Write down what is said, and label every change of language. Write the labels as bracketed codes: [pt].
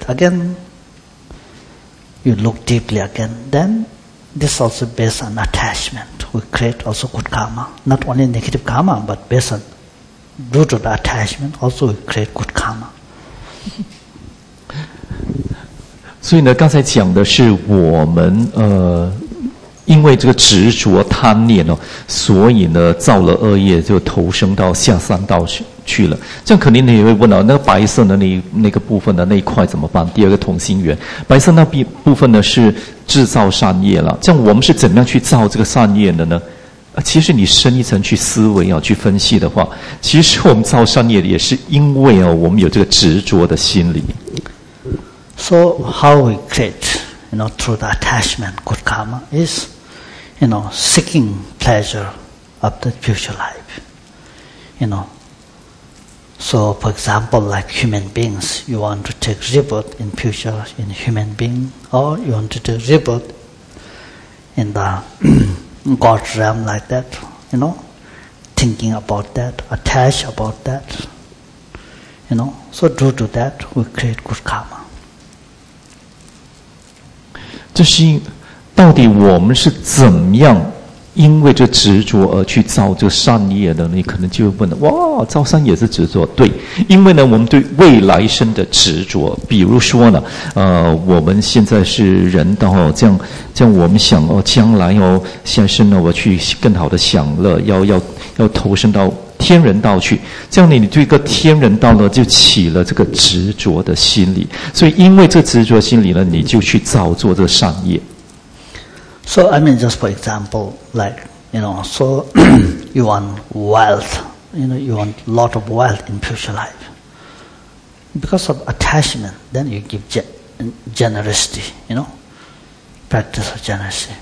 [en] Again, you look deeply again, then this also based on attachment. We create also good karma, not only negative karma, but based on due to the attachment, also we create good karma. [zh] 所以呢，刚才讲的是我们因为这个执着贪念哦，所以呢造了恶业，就投生到下三道去了。这样肯定你会问了，那个白色的那个部分的那一块怎么办？第二个同心圆，白色那部分呢是制造善业了。这样我们是怎么样去造这个善业的呢？其实你深一层去思维啊，去分析的话，其实我们造善业也是因为哦，我们有这个执着的心理。 [en] So how we create, you know, through the attachment, good karma, is, you know, seeking pleasure of the future life, you know. So, for example, like human beings, you want to take rebirth in future in human being, or you want to take rebirth in the God's realm like that, you know, thinking about that, attach about that, you know. So due to that, we create good karma. [zh] 这是到底我们是怎么样因为这执着而去造这善业的，你可能就会问了，哇，造善也是执着。对，因为呢我们对未来生的执着，比如说呢我们现在是人道，这样我们想哦，将来哦，现在生呢我去更好的享乐，要投身到天人道去，这样你对一个天人道呢就起了这个执着的心理，所以因为这执着心理呢，你就去造作这善业。 [en] So I mean, just for example, like you know, so you want wealth, you know, you want lot of wealth in future life. Because of attachment, then you give generosity, you know, practice of generosity.